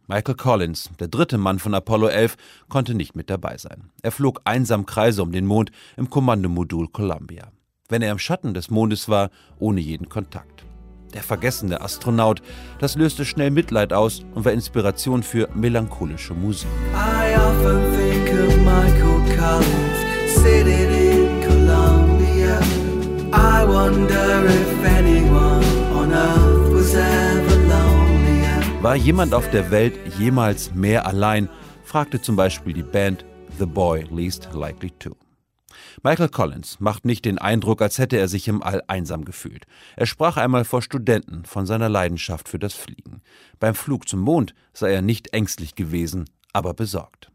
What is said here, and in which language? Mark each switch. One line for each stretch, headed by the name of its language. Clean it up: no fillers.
German: Michael Collins, der dritte Mann von Apollo 11, konnte nicht mit dabei sein. Er flog einsam Kreise um den Mond im Kommandomodul Columbia. Wenn er im Schatten des Mondes war, ohne jeden Kontakt. Der vergessene Astronaut, das löste schnell Mitleid aus und war Inspiration für melancholische Musik.
English: I often think of Michael Collins sitting in Columbia. I wonder if anyone on earth was ever lonelier.
German: War jemand auf der Welt jemals mehr allein, fragte zum Beispiel die Band The Boy Least Likely To. Michael Collins macht nicht den Eindruck, als hätte er sich im All einsam gefühlt. Er sprach einmal vor Studenten von seiner Leidenschaft für das Fliegen. Beim Flug zum Mond sei er nicht ängstlich gewesen, aber besorgt.